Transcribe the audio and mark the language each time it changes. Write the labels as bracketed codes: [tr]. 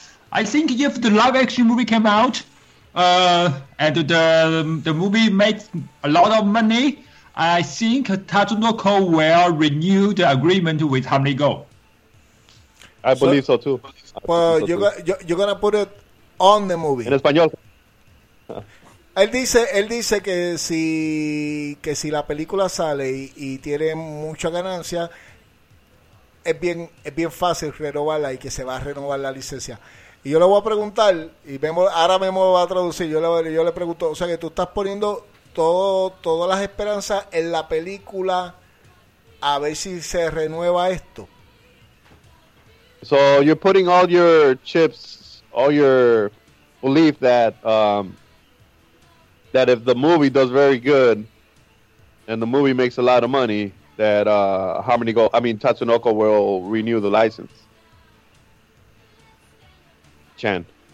[en] I think if the live action movie came out and the movie makes a lot of money, I think Tatsunoko will renew the agreement with Harmony Gold. I believe so too. You're going to put it on the movie. [es] En español. Él dice que si la película sale y tiene mucha ganancia, es bien fácil renovarla y que se va a renovar la licencia. Y yo le voy a preguntar, y Memo, ahora Memo va a traducir, yo le pregunto, o sea que tú estás poniendo todas las esperanzas en la película a ver si se renueva esto. [en] So you're putting all your chips, all your belief that... that if the movie does very good and the movie makes a lot of money, that Tatsunoko will renew the license. Chan.